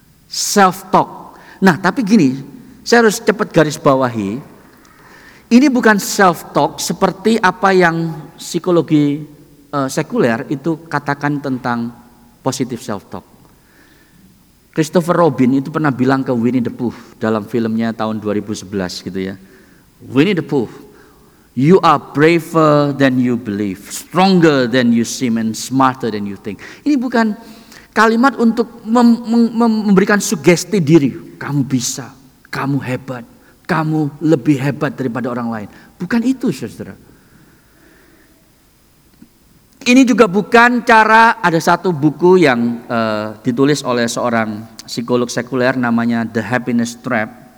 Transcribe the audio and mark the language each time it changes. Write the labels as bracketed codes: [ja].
[id] Self-talk. Nah, tapi gini, saya harus cepat garis bawahi, ini bukan self-talk seperti apa yang psikologi sekuler itu katakan tentang positive self-talk. Christopher Robin itu pernah bilang ke Winnie the Pooh dalam filmnya tahun 2011 gitu ya. [en] Winnie the Pooh, you are braver than you believe, stronger than you seem, and smarter than you think. [id] Ini bukan kalimat untuk memberikan sugesti diri. Kamu bisa, kamu hebat. Kamu lebih hebat daripada orang lain. Bukan itu, saudara. Ini juga bukan cara, ada satu buku yang ditulis oleh seorang psikolog sekuler namanya The Happiness Trap.